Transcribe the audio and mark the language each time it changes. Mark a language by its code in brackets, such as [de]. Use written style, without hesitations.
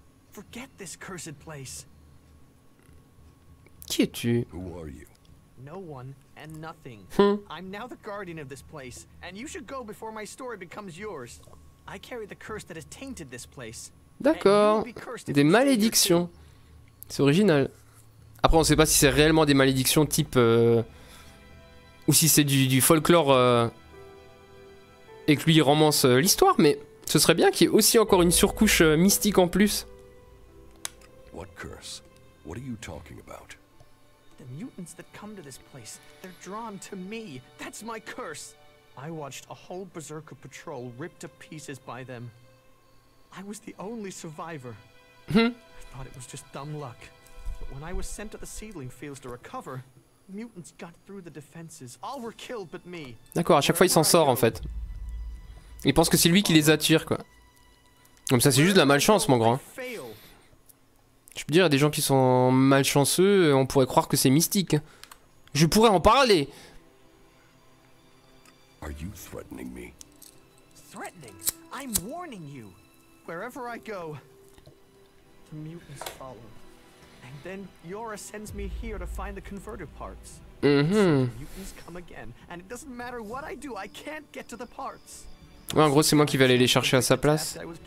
[en] Forget this cursed place. [fr] Qui es-tu? [en] Who are you? No one and nothing. I'm now the guardian of this place, and you should go before my story becomes yours. I carry the curse that has tainted this place. [fr] D'accord. Des malédictions. C'est original. Après, on ne sait pas si c'est réellement des malédictions type ou si c'est du folklore et que lui il romance l'histoire, mais ce serait bien qu'il y ait aussi encore une surcouche mystique en plus. [en] What curse? What are you talking about? The mutants that come to this place, they're drawn to me. That's my curse. I watched a whole berserker patrol ripped to pieces by them. I was the only survivor. I thought it was just dumb luck. But when I was sent to the seedling fields to recover, mutants got through the defenses. All were killed but me. [fr] D'accord, à chaque fois il s'en sort en fait. Il pense que c'est lui qui les attire, quoi. Comme ça, c'est juste de la malchance, mon grand. Je peux dire, il y a des gens qui sont malchanceux, on pourrait croire que c'est mystique. Je pourrais en parler. [en] Are you threatening me? Threatening? I'm warning you. Wherever I go, the mutants follow. And then Yora sends me here to find the converter parts. Mutants come again, and it doesn't matter what I do, I can't get to the parts. [fr] Ouais, en gros, c'est moi qui vais aller les chercher à sa place.